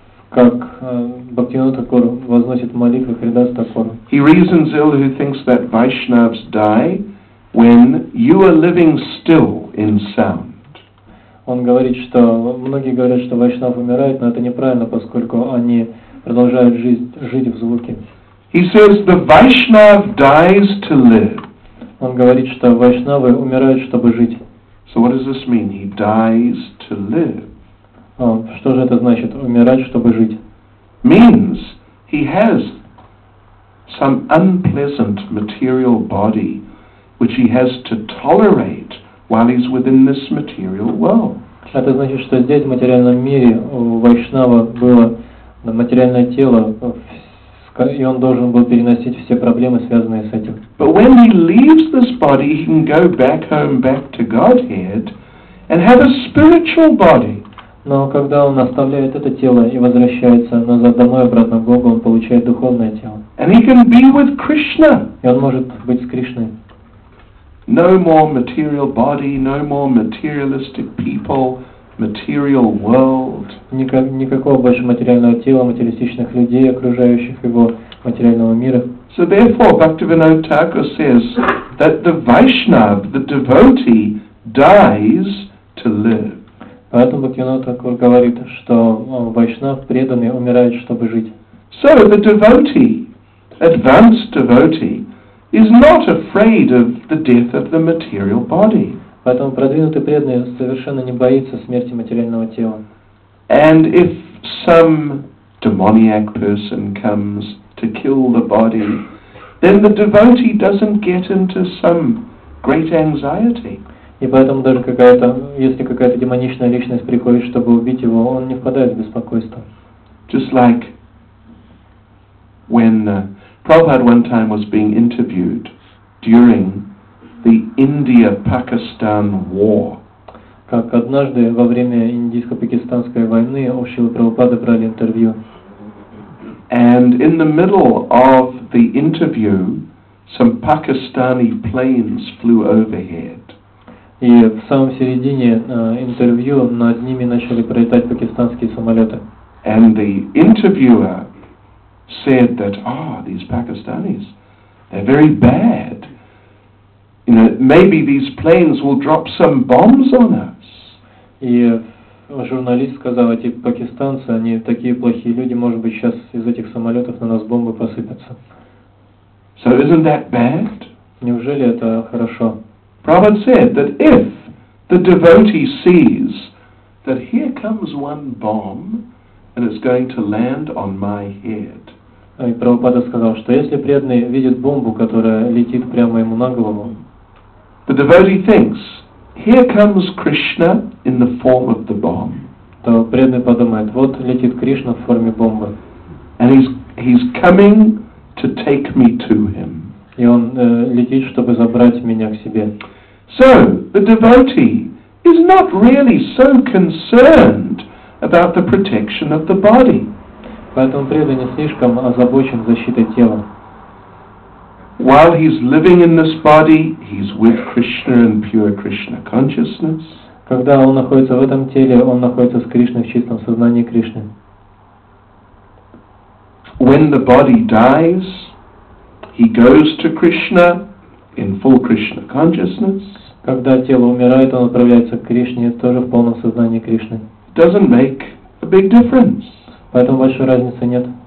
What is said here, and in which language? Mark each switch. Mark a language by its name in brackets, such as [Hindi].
[Russian] Как Бхактивинода Такур возносит молитву Харидас Такур. [English] He reasons ill who thinks that Vaishnavas die when you are living still in sound. [Russian] Он говорит, что многие говорят, что вайшнав умирает, но это неправильно, поскольку они продолжают жить в звуке. [English] He says the Vaishnav dies to live. [Russian] Он говорит, что вайшнавы умирают, чтобы жить. [English] So what does this mean? He dies to live. [Russian] Что же это значит? Умирать, чтобы жить. [English] Means he has some unpleasant material body, which he has to tolerate while he's within this material world. [Russian] Это значит, что здесь, в материальном мире, у Вайшнава было материальное тело, и он должен был переносить все проблемы, связанные с этим. [English] But when he leaves this body, he can go back home, back to Godhead, and have a spiritual body. [Russian] Но когда он оставляет это тело и возвращается назад домой, обратно в Гогу, он получает духовное тело. [English] And he can be with Krishna. [Russian] И он может быть с Кришной. [English] No more material body, no more materialistic people, material world. [Russian] Никакого больше материального тела, материалистичных людей, окружающих его материального мира. [English] So therefore, Bhaktivinoda Thakur says that the Vaishnav, the devotee, dies to live. [Russian] Поэтому Бхактивинода Такур говорит, что Вайшнав, преданный, умирает, чтобы жить. [English] So the devotee, advanced devotee, is not afraid of the death of the material body. [Russian] Поэтому продвинутый преданный совершенно не боится смерти материального тела. [English] And if some demoniac person comes to kill the body, then the devotee doesn't get into some great anxiety. [Russian] И поэтому даже какая-то, если какая-то демоничная личность приходит, чтобы убить его, он не впадает в беспокойство. [English] Just like when Prabhupada one time was being interviewed during the India-Pakistan war. [Russian] Как однажды во время индийско-пакистанской войны у Шрилы Прабхупады брали интервью. [English] And in the middle of the interview, some Pakistani planes flew overhead. [Russian] И в самом середине интервью над ними начали пролетать пакистанские самолеты. [English] And the interviewer said that, these Pakistanis, they're very bad. You know, maybe these planes will drop some bombs on us. [Russian] И журналист сказал, эти пакистанцы, они такие плохие люди, может быть, сейчас из этих самолетов на нас бомбы посыпятся. [English] So isn't that bad? [Russian] Неужели это хорошо? [English] Prabhupada said that if the devotee sees that here comes one bomb and it's going to land on my head. [Russian] И Прабхупада сказал, что если преданный видит бомбу, которая летит прямо ему на голову, [English] the devotee thinks, here comes Krishna in the form of the bomb. [Russian] То преданный подумает, вот летит Кришна в форме бомбы. [English] And he's coming to take me to him. [Russian] И он летит, чтобы забрать меня к себе. [English] So, the devotee is not really so concerned about the protection of the body. [Russian] Поэтому преданный слишком озабочен защитой тела. [English] While he's living in this body, he's with Krishna in pure Krishna consciousness. [Russian] Когда он находится в этом теле, он находится с Кришной в чистом сознании Кришны. [English] When the body dies, he goes to Krishna in full Krishna consciousness. [Russian] Когда тело умирает, он отправляется к Кришне тоже в полном сознании Кришны. [English] Doesn't make a big difference. [Russian] Поэтому большой разницы нет.